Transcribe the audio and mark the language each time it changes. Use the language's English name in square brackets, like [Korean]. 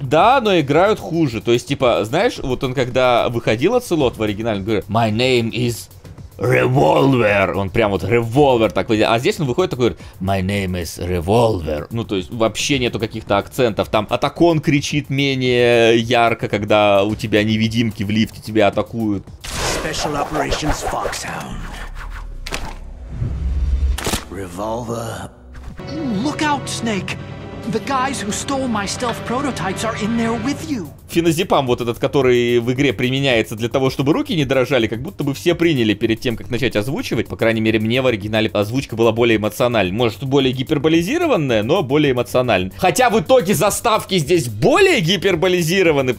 [Russian] Да, но играют хуже, то есть, типа, знаешь, вот он когда выходил Оцелот в оригинале, говорит, [English] my name is... [Russian] Револьвер, он прям вот револьвер так выйдет. А здесь он выходит такой, [English] my name is [Russian] Револьвер. Ну, то есть вообще нету каких-то акцентов. Там атакон кричит менее ярко, когда у тебя невидимки в лифте тебя атакуют. [English] Special operations Foxhound. Revolver. Look out, Snake! The guys who stole my stealth prototypes are in there with you. [Russian] Феназепам вот этот, который в игре применяется для того, чтобы руки не дрожали, как будто бы все приняли перед тем, как начать озвучивать. По крайней мере, мне в оригинале озвучка была более эмоциональна. Может, более гиперболизированная, но более эмоциональная. Хотя в итоге заставки здесь более гиперболизированы.